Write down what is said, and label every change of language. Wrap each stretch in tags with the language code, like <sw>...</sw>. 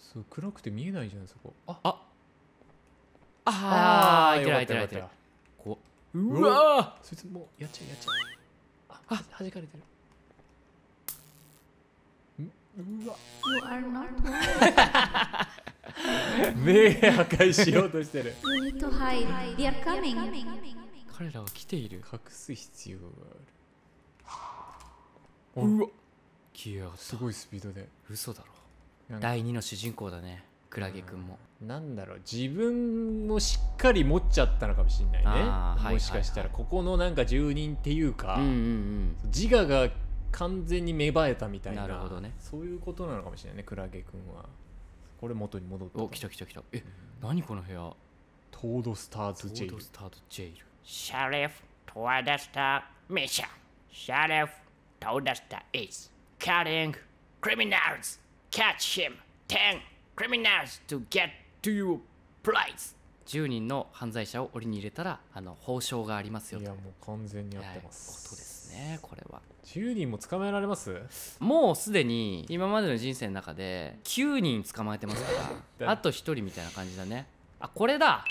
<ja>暗くて見えないじゃん、そこ。あ、開いてる開いてる開いてる。こう、うわぁ、そいつもうやっちゃうやっちゃう。あ、弾かれてる。うわ、</ja> <en>You are not mine。</en> <ja>目破壊しようとしてる。</ja> <en>You need to hide. They are coming.</en> <ja>彼らは来ている。隠す必要がある。うわ、消えやがった。すごいスピードで。嘘だろ。第2の主人公だね、クラゲくんも。なんだろう、自分もしっかり持っちゃったのかもしれないね。もしかしたらここのなんか住人っていうか、うんうんうん、自我が完全に芽生えたみたいな。なるほどね。そういうことなのかもしれないね。クラゲくんはこれ元に戻った。お、来た来た来た。え、何この部屋。トードスターズジェイル。トードスターズジェイル。シャリフ・トワダスター・ミッション。</ja> <en>シャリフ・トワダスター・イズ・カッティング・クリミナルズ。 Catch him! 10 criminals to get to your place!</en> <ja>10人の犯罪者を檻に入れたら、あの、報奨がありますよと。いや、もう完全にやってます。はい、ことですね、これは。 10人も捕まえられます？もうすでに、今までの人生の中で9人捕まえてますから、あと1人みたいな感じだね。あ、これだ！</ja>